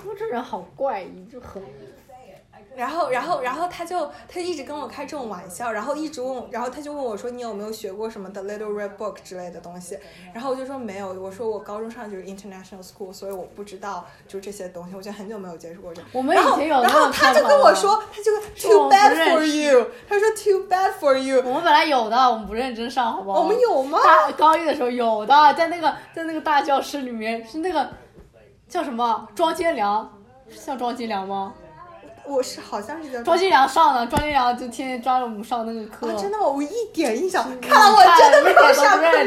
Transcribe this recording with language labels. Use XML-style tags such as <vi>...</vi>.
<zh>我这人好怪异，就很。然后他一直跟我开这种玩笑，然后一直问，然后他就问我说你有没有学过什么 The Little Red Book 之类的东西，然后我就说没有，我说我高中上就是 International School， 所以我不知道就这些东西，我就很久没有接触过这。我们以前有。</zh> <en>然后</en> <zh>他就</zh> <en>跟我说，他就 Too bad for you，</en> <zh>他说</zh> <en>Too bad for you。</en> <zh>我们本来有的，我们不认真上，好不好？我们有吗？高一的时候有的，在那个大教室里面，是那个叫什么庄金良，是叫庄金良吗？我是好像是叫庄金良上的，庄金良就天天抓着我们上那个课。啊、真的吗？我一点印象，看我真的没有上过认</zh>